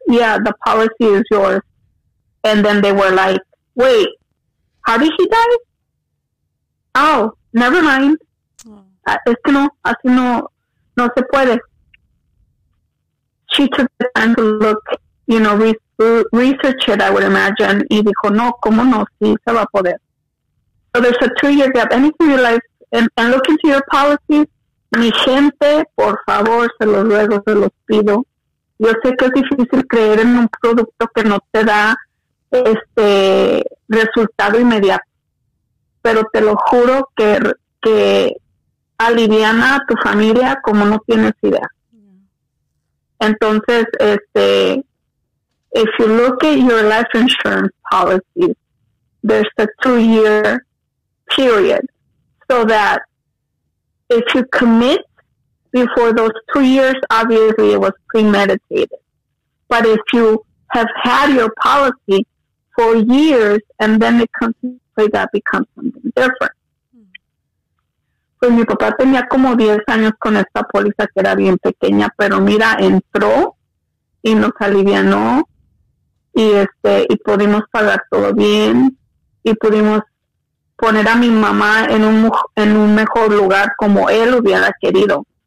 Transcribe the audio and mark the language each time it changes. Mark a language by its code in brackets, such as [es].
[en] Yeah, the policy is yours. And then they were like, wait, how did he die? Oh, never mind. [es] Es que no, así no, no se puede. [en] She took the time to look, you know, research it, I would imagine. [es] Y dijo, no, cómo no, sí, se va a poder. [en] So there's a 2-year gap. Anything you like, and look into your policies. [es] Mi gente, por favor, se los ruego, se los pido. Yo sé que es difícil creer en un producto que no te da este resultado inmediato. Pero te lo juro que aliviana a tu familia como no tienes idea. Entonces, este, [en] if you look at your life insurance policies, there's a 2-year period so that if you commit before those 2 years, obviously it was premeditated. But if you have had your policy for years and then it comes into play, that becomes something different. [es] Pues mi papá tenía como 10 años con esta póliza que era bien pequeña, pero mira, entró y nos alivianó y este y pudimos pagar todo bien y pudimos poner a mi mamá en un mejor lugar como él hubiera querido.